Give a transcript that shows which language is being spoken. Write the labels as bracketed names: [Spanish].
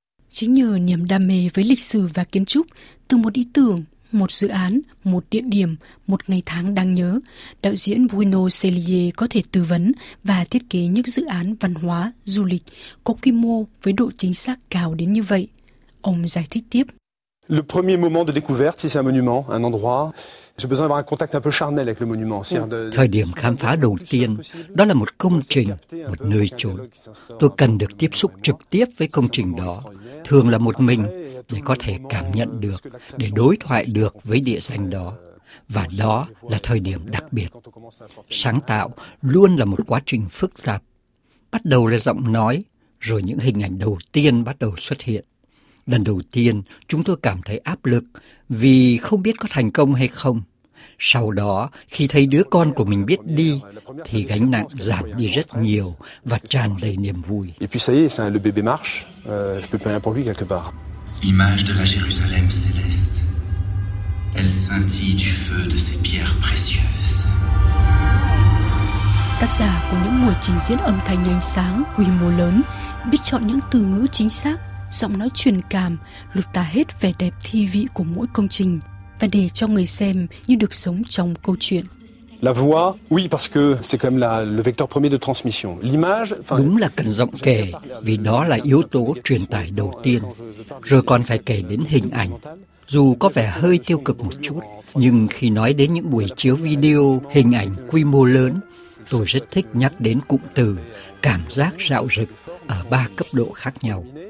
[Vietnamese] Chính nhờ niềm đam mê với lịch sử và kiến trúc, từ một ý tưởng, một dự án, một địa điểm, một ngày tháng đáng nhớ, đạo diễn Bruno Cellier có thể tư vấn và thiết kế những dự án văn hóa, du lịch có quy mô với độ chính xác cao đến như vậy. Ông giải thích tiếp. [French] Le premier moment de découverte, si c'est un monument, un endroit, j'ai besoin d'avoir un contact un peu charnel avec le monument. [Vietnamese] Thời điểm khám phá đầu tiên, đó là một công trình, một nơi chốn. Tôi cần được tiếp xúc trực tiếp với công trình đó, thường là một mình, để có thể cảm nhận được, để đối thoại được với địa danh đó. Và đó là thời điểm đặc biệt. Sáng tạo luôn là một quá trình phức tạp. Bắt đầu là giọng nói, rồi những hình ảnh đầu tiên bắt đầu xuất hiện. Lần đầu tiên, chúng tôi cảm thấy áp lực vì không biết có thành công hay không. Sau đó, khi thấy đứa con của mình biết đi, thì gánh nặng giảm đi rất nhiều và tràn đầy niềm vui. [French] Et puis ça y est, le bébé marche. Je peux payer pour lui quelque part. Image de la Jérusalem céleste. Elle scintille du feu de ses pierres précieuses. [Vietnamese] Tác giả của những buổi trình diễn âm thanh ánh sáng quy mô lớn, biết chọn những từ ngữ chính xác, giọng nói truyền cảm, lột tả hết vẻ đẹp thi vị của mỗi công trình và để cho người xem như được sống trong câu chuyện. [French] La voix, oui, parce que c'est quand même le vecteur premier de transmission. L'image, [Vietnamese] đúng là cần giọng kể, vì đó là yếu tố truyền tải đầu tiên. Rồi còn phải kể đến hình ảnh. Dù có vẻ hơi tiêu cực một chút, nhưng khi nói đến những buổi chiếu video, hình ảnh quy mô lớn, tôi rất thích nhắc đến cụm từ cảm giác rạo rực ở ba cấp độ khác nhau.